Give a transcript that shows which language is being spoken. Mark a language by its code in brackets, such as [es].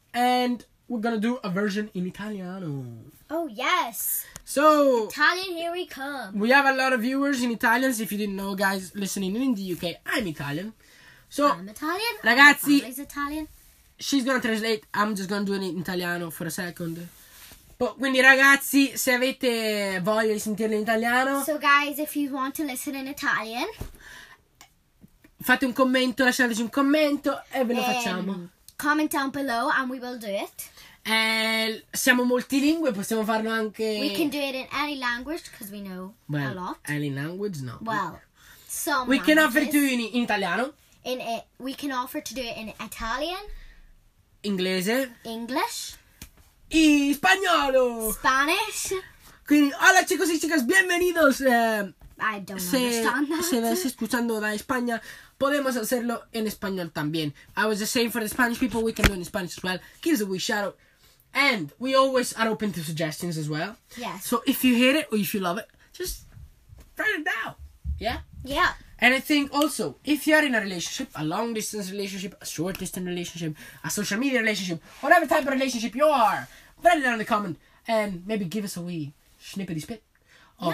[en] And we're going to do a version in Italiano. Oh, yes. So, Italian, here we come. We have a lot of viewers in Italians. If you didn't know, guys, listening in the UK, I'm Italian. So, I'm Italian. [it] Ragazzi. [en] I'm always Italian. She's going to translate. I'm just going to do it in Italiano for a second. [it] But, quindi ragazzi, se avete voglia di sentirlo in italiano... [en] So guys, if you want to listen in Italian... [it] Fate un commento, lasciateci un commento e ve lo facciamo. [en] Comment down below and we will do it. [it] Siamo multilingue, possiamo farlo anche... [en] We can do it in any language because we know well, a lot. Any language, no. Well, some we can offer to do it in italiano. We can offer to do it in Italian. [it] Inglese. [en] English. [it] Y spagnolo. [en] Spanish. [es] Quindi, hola chicos y chicas, bienvenidos. [en] I don't understand that. [es] Si ves escuchando de España, podemos hacerlo en español también. [en] I was just saying for the Spanish people, we can do it in Spanish as well. Give us a wee shout out. And we always are open to suggestions as well. Yes. So if you hate it or if you love it, just write it down. Yeah? Yeah. And I think also, if you are in a relationship, a long distance relationship, a short distance relationship, a social media relationship, whatever type of relationship you are, write it down in the comment and maybe give us a wee snippety spit of...